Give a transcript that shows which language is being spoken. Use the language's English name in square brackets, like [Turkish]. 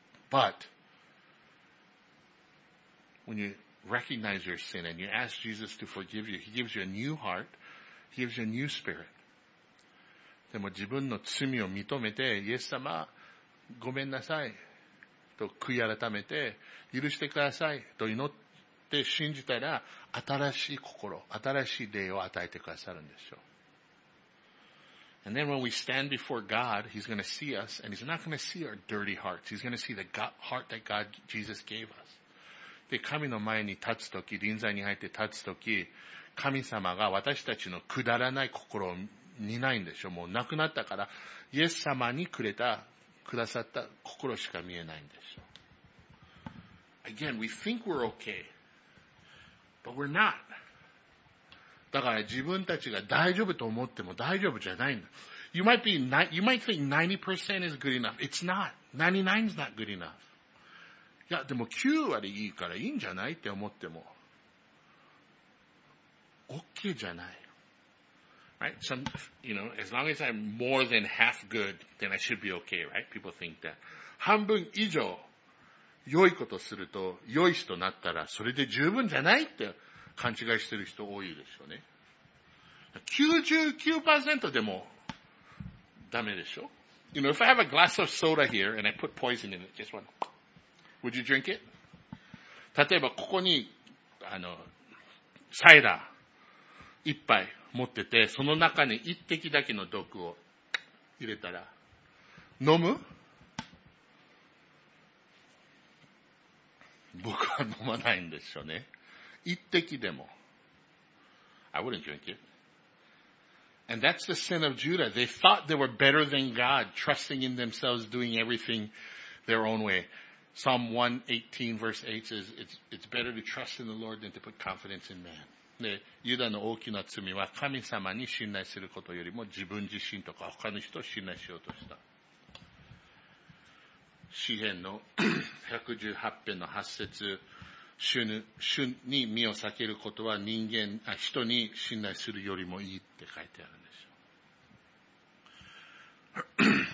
[English] But, when you recognize your sin and you ask Jesus to forgive you, He gives you a new heart He gives you a new spirit. [Japanese] でも自分の罪を認めて、イエス様、ごめんなさい、と悔い改めて、許してください、と祈って信じたら、新しい心、新しい霊を与えてくださるんですよ。 [English] And then when we stand before God, He's gonna see us, and He's not gonna see our dirty hearts. He's gonna see the heart that God, Jesus gave us. [Japanese] で、神の前に立つとき、臨在に入って立つとき、神様が私たちのくだらない心を見ないんでしょ。もう亡くなったから、イエス様にくれた、くださった心しか見えないんでしょ。 [English] Again, we think we're okay, but we're not. [Japanese] だから自分たちが大丈夫と思っても大丈夫じゃないんだ。 [English] You might think 90% is good enough. It's not. 99 is not good enough. [Japanese] いや、でも9割いいからいいんじゃないって思っても。 OK じゃない。 [English] Right? Some, you know, as long as I'm more than half good, then I should be okay, right? People think that. [Japanese] 半分以上良いことすると、良い人になったらそれで十分じゃないって。勘違いしてる人多いでしょうね。 99% でもダメでしょ。 [English] You know, if I have a glass of soda here and I put poison in it, just one, would you drink it? [Japanese] 例えばここにあのサイダー一杯持ってて、その中に一滴だけの毒を入れたら飲む？僕は飲まないんでしょうね。一滴でも。 [English] I wouldn't drink it. And that's the sin of Judah. They thought they were better than God, trusting in themselves, doing everything their own way. Psalm 118 verse 8 says, it's better to trust in the Lord than to put confidence in man. [Japanese] で、ユダの大きな罪は神様に信頼することよりも自分自身とか他の人を信頼しようとした。詩編の118編の8節。主に身を避けることは人に信頼するよりもいいって書いてあるんですよ。